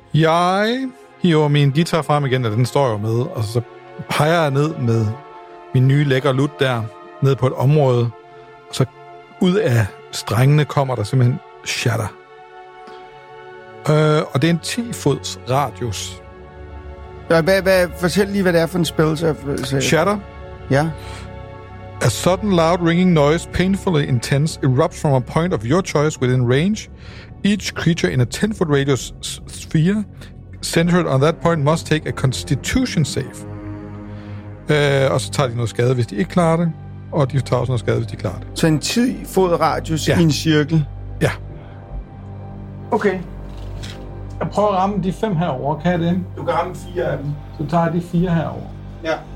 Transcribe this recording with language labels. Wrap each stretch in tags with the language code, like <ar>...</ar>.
<da>Jeg hiver min guitar frem igen, og den står jo med, og så peger jeg ned med min nye lækker lut der, ned på et område, og så ud af strengene kommer der simpelthen shatter. Og det er en 10-fods radius. Fortæl lige, hvad det er for en spil. Shatter? Ja.</da> <en>A sudden loud ringing noise, painfully intense, erupts from a point of your choice within range. Each creature in a 10-foot radius sphere centered on that point must take a constitution save.</en> <da>Og så tager de noget skade, hvis de ikke klarer det. Og de tager også noget skade, hvis de klarer det. Så en 10-fod radius i en cirkel? Ja. Okay. Jeg prøver at ramme de 5 herovre, kan jeg det? Du kan ramme 4 af dem. Så tager de 4 herovre. Ja.</da>